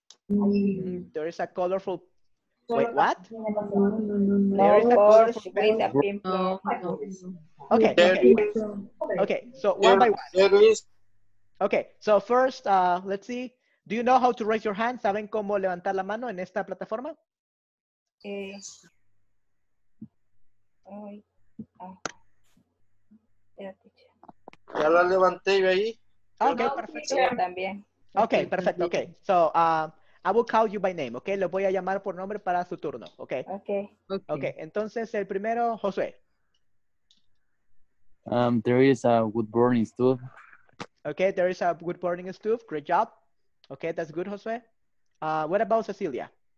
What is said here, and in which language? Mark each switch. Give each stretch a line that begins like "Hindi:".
English: There is a colorful. Wait, what? There is a colorful. Okay. Okay. So one by one. Okay. So first, let's see. Do you know how to raise your hand?
Spanish: ¿Saben cómo levantar la mano en esta plataforma? Ya la levanté yo ahí. Okay, perfecto. Okay, perfecto. Okay.
English: So, I will call you by name, okay?
Spanish: Lo voy a llamar por nombre para su turno, okay?
English: Okay.
Spanish: Okay, okay. Entonces el primero, Josué.
English: There is a good burning stove. Okay, there is a good burning stove. Great job. Okay, that's good, Josué. What about Cecilia?